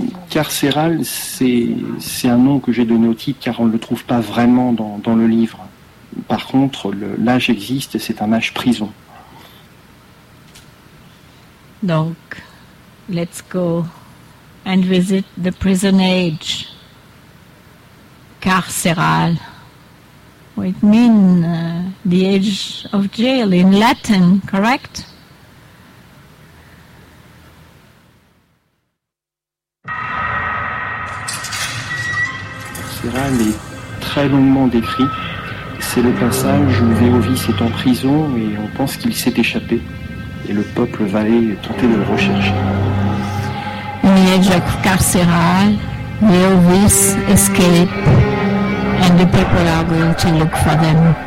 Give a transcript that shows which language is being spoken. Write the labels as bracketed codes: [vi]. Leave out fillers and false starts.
[fr] Carcéral, c'est un nom que j'ai donné au titre car on ne le trouve pas vraiment dans le livre. Par contre, l'âge existe et c'est un âge prison. [en] Donc, let's go and visit the prison age. Carcéral. It means the age of jail in Latin, correct? [fr] Est très longuement décrit. C'est le passage où Veovis est en prison et on pense qu'il s'est échappé. Et le peuple va aller tenter de le rechercher. [en] in the edge of carceral, the Ovis escape, and the people are going to look for them.